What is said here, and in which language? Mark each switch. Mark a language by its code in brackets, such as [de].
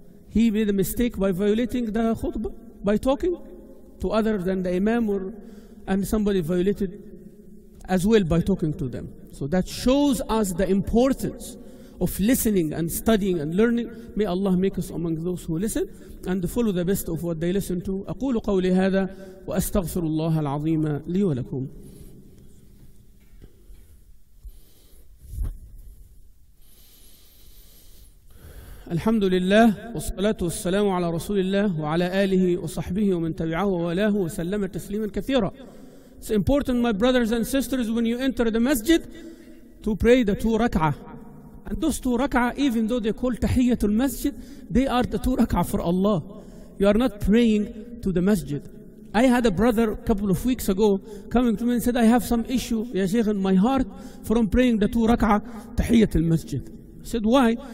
[en] He made a mistake by violating the khutbah, by talking to other than the imam, or and somebody violated as well by talking to them. So that shows us the importance of listening and studying and learning. May Allah make us among those who listen and follow the best of what they listen to. [ar] أقول قولي هذا وأستغفر الله العظيم لي ولكم. الحمد لله والصلاة والسلام على رسول الله وعلى آله وصحبه ومن تبعه وولاه وسلم تسليما كثيرا. [en] It's important, my brothers and sisters, when you enter the masjid to pray the two rak'ah. And those two rak'ah, even though they call tahiyyatul masjid, they are the two rak'ah for Allah. You are not praying to the masjid. I had a brother a couple of weeks ago coming to me and said, I have some issue, ya Sheikh, in my heart from praying the two rak'ah tahiyyatul masjid. I said, why?